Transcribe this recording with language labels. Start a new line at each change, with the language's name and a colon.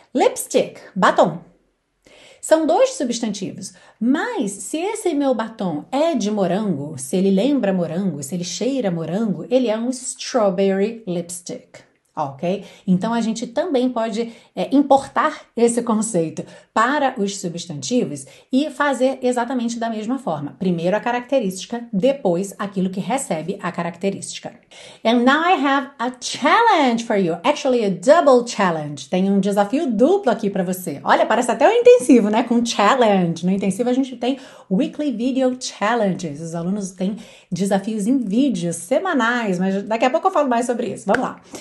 Portuguese: Lipstick, batom. São dois substantivos, mas se esse meu batom é de morango, se ele lembra morango, se ele cheira morango, ele é um strawberry lipstick. Ok? Então a gente também pode importar esse conceito para os substantivos e fazer exatamente da mesma forma. Primeiro a característica, depois aquilo que recebe a característica.
English: And now I have a challenge for you. Actually, a double challenge.
Portuguese: Tem um desafio duplo aqui para você. Olha, parece até um intensivo, né? Com challenge. No intensivo a gente tem weekly video challenges. Os alunos têm desafios em vídeos semanais, mas daqui a pouco eu falo mais sobre isso. Vamos lá.